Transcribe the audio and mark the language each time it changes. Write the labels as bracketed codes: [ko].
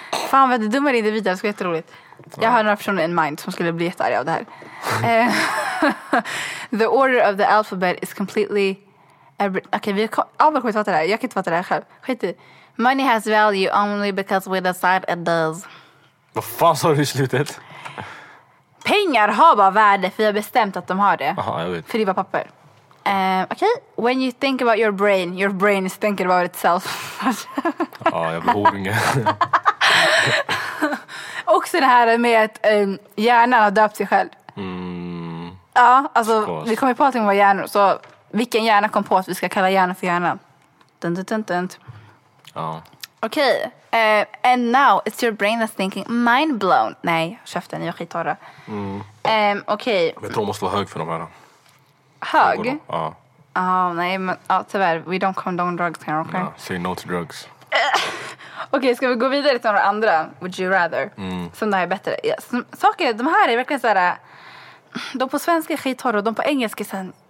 [sv] Fan vad du dummar in det vidare, det ska vara jätteroligt. Jag har några personer in mind som skulle bli jättearga av det här. The order of the alphabet is completely... Okej, vi har skit fattat det här. Jag kan inte fatta det här själv. Skit i. [en] Money has value only because we decide it does. [sv] Vad fan sa du i slutet? Pengar har bara värde, för vi har bestämt att de har det. Aha, jag vet. För det var papper. Okej, okay. [en] When you think about your brain is thinking about itself. [sv] Ja, jag behöver inga. Också det här med att hjärnan har döpt sig själv. Mm. Ja, alltså vi kommer på allting med hjärnor. Så vilken hjärna kom på att vi ska kalla hjärnan för hjärnan? Dun. Ja. Okej. [en] And now it's your brain that's thinking mind blown. [sv] Nej, käften, jag skitar det. Okej. Men de måste vara hög för de här. Hög? Ja. [en] Nej, men tyvärr. We don't condone drugs here, okay? No, say no to drugs. [sv] Okej, ska vi gå vidare till några andra? Would you rather? Som det här är bättre. Ja, saker, de här är verkligen så här. De på svenska är skitar och de på engelska sen.